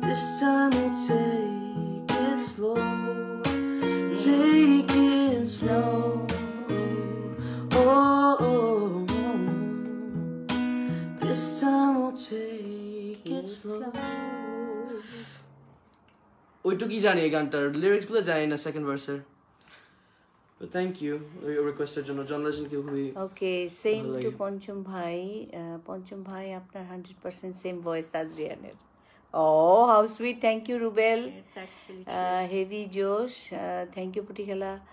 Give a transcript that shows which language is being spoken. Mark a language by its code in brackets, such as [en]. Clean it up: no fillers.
[en] This time we'll take it slow, take it slow. Oh, oh, oh. This time we'll take it slow. [bn] ওইটু কি জানি এই গানটার lyrics গুলো জানি না second ভার্সের। [en] But thank you for your request to John Legend. Okay, same to Poncho Bhai. Poncho Bhai, you have 100% same voice as Zianer. Oh, how sweet. Thank you, Rubel. It's actually true. Heavy Josh. Thank you, Putihala.